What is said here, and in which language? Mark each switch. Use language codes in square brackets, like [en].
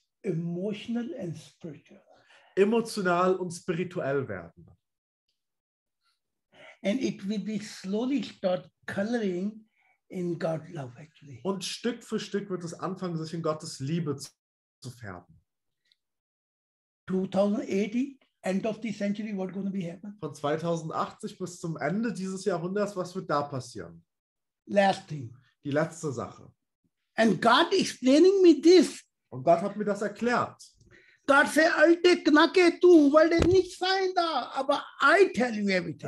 [en] emotional and spiritual [de] emotional und spirituell werden [en] and it will be slowly start coloring in God love actually [de] und Stück für Stück wird es anfangen sich in Gottes Liebe zu färben. [en] 2080 End of the century, what going to be happen? [de] Von 2080 bis zum Ende dieses Jahrhunderts, was wird da passieren? [en] Last thing. [de] Die letzte Sache. [en] And God explaining me this. [de] Und Gott hat mir das erklärt. [en] God say, [de] alte Knacke, du wolltest nicht sein da, aber [en] I tell you everything.